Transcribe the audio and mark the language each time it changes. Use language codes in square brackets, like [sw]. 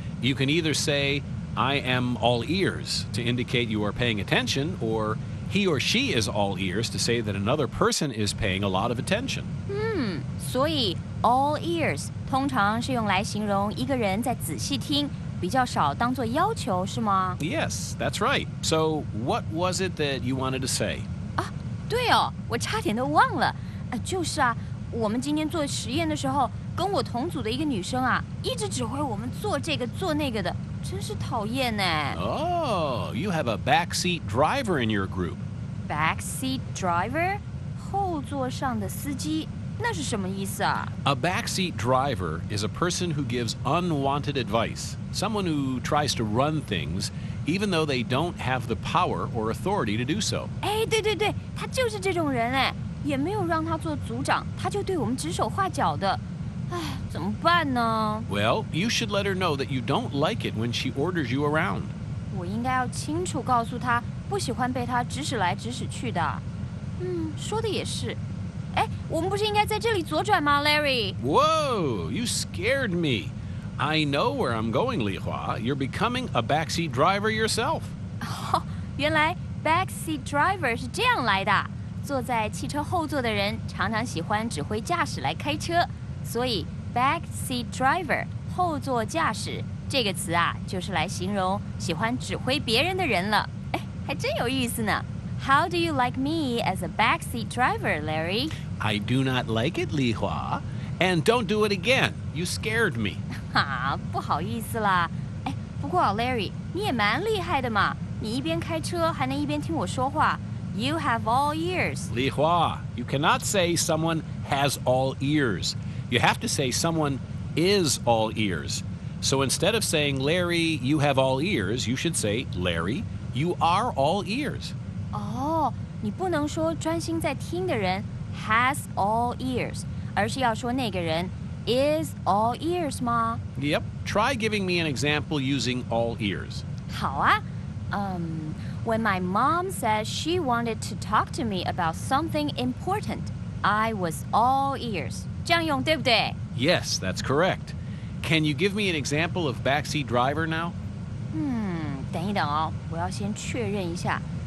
[en] You can either say,I am all ears to indicate you are paying attention, or he or she is all ears to say that another person is paying a lot of attention. [zh] Hmm, 所以 all ears 通常是用来形容一个人在仔细听，比较少当作要求，是吗？ [en] Yes, that's right. So what was it that you wanted to say? [zh] 啊，对哦，我差点都忘了。啊，就是啊，我们今天做实验的时候，跟我同组的一个女生啊，一直指挥我们做这个做那个的。真是讨厌哎。 [en] Oh, you have a backseat driver in your group. Backseat driver? [zh] 后座上的司机，那是什么意思啊? [en] A backseat driver is a person who gives unwanted advice. Someone who tries to run things, even though they don't have the power or authority to do so. [zh] 哎，对对对，他就是这种人哎，也没有让他做组长，他就对我们指手画脚的。唉，怎么办呢? [en] Well, you should let her know that you don't like it when she orders you around. [zh] 我应该要清楚告诉她不喜欢被她指使来指使去的。嗯，说的也是。哎，我们不是应该在这里左转吗, Larry? [en] Whoa, you scared me. I know where I'm going, Lihua. You're becoming a backseat driver yourself. [zh] 哦，原来backseat driver 是这样来的。坐在汽车后座的人常常喜欢指挥驾驶来开车，所以 backseat driver 后座驾驶这个词啊，就是来形容喜欢指挥别人的人了。哎，还真有意思呢。 [en] How do you like me as a backseat driver, Larry? I do not like it, Li Hua. And don't do it again. You scared me. [zh] 哈，不好意思啦。哎，不过 Larry, 你也蛮厉害的嘛。你一边开车还能一边听我说话。 [en] You have all ears. Li Hua, you cannot say someone has all ears. You have to say someone is all ears. So instead of saying, Larry, you have all ears, you should say, Larry, you are all ears. [zh] Oh, 你不能说专心在听的人 [en] has all ears, [zh] 而是要说那个人 [en] is all ears [zh] 吗? [en] Yep, try giving me an example using all ears. [zh] 好啊。 [en] When my mom said she wanted to talk to me about something important, I was all ears. [zh] 这样用对不对? [en] Yes, that's correct. Can you give me an example of backseat driver now? [zh] 等一等哦，我要先确认一下。